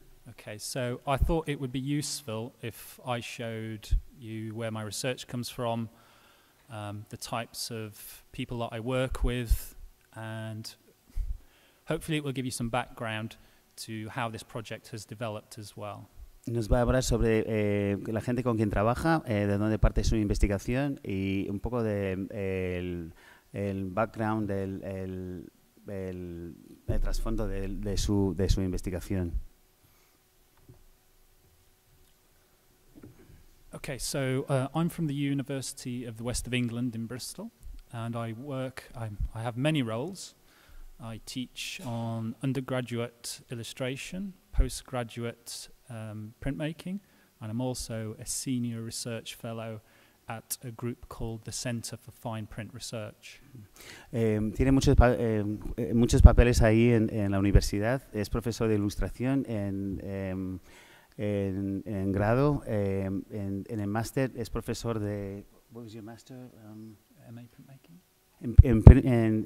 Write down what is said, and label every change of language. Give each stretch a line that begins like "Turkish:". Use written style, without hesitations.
English: Okay, so I thought it would be useful if I showed you where my research comes from. The types of people that I work with, and hopefully it will give you some background to how this project has developed as well.
Spanish: Nos va a hablar sobre la gente con quien trabaja, de dónde parte su investigación y un poco de el background del trasfondo de su investigación.
English: Okay, so I'm from the University of the West of England in Bristol, and I work, I have many roles. I teach on undergraduate illustration, postgraduate printmaking, and I'm also a senior research fellow at a group called the Center for Fine Print Research.
Spanish: Tiene muchos muchos papeles ahí en la universidad. Es profesor de ilustración en grado, en el máster es profesor de
English: What was your master? MA printmaking.